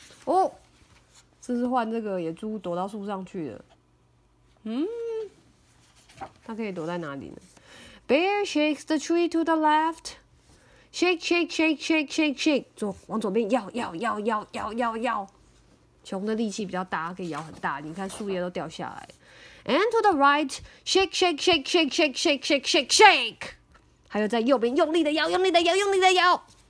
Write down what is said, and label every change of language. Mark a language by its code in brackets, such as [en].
[zh] 哦，这是换这个野猪躲到树上去了。它可以躲在哪里呢？ [en] Bear shakes the tree to the left. Shake, shake, shake, shake, shake, shake. [zh] 左往左边摇摇摇摇摇摇摇。熊的力气比较大，可以摇很大。你看树叶都掉下来。 [en] And to the right, shake, shake, shake, shake, shake, shake, shake, shake, shake. [zh] 还有在右边用力的摇，用力的摇，用力的摇。